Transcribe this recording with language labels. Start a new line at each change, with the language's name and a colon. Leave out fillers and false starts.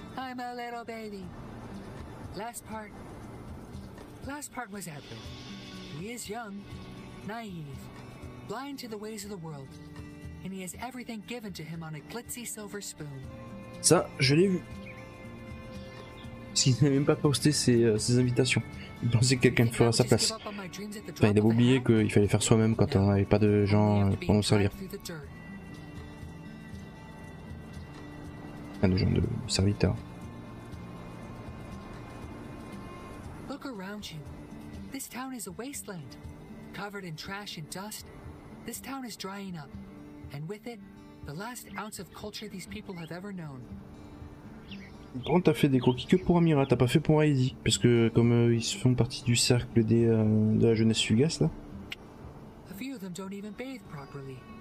English: I'm a little baby. Last part was Adler. He is young. Naive. Blind to the ways of the world, and he has everything given to him on a glitzy silver spoon.
French: Ça, je l'ai vu. parce qu'il n'a même pas posté ses invitations. Il pensait que quelqu'un le ferait à sa place. Enfin, il avait oublié qu'il fallait faire soi-même quand on n'avait pas de gens pour nous servir. Pas de gens de serviteurs.
English: Look around you. This town is a wasteland, covered in trash and dust. This town is drying up, and with it, the last ounce of culture these people have ever known.
French: Bon, t'as fait des croquis que pour Amira, t'as pas fait pour Heidi, parce que comme ils font partie du cercle de la jeunesse fugace là.
English: A few of them don't even bathe properly.